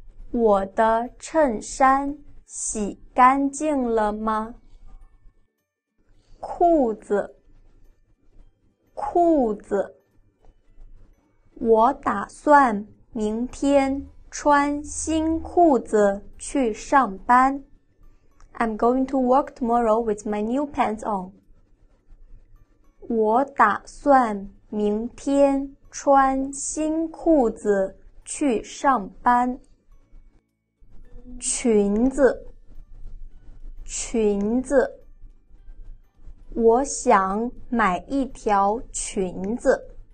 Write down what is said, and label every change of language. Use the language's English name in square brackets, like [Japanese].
[Chinese] 我的衬衫洗干净了吗？裤子，裤子，我打算明天穿新裤子去上班。 [English] I'm going to work tomorrow with my new pants on. [Chinese] 我打算明天穿新裤子去上班。裙子，裙子，我想买一条裙子。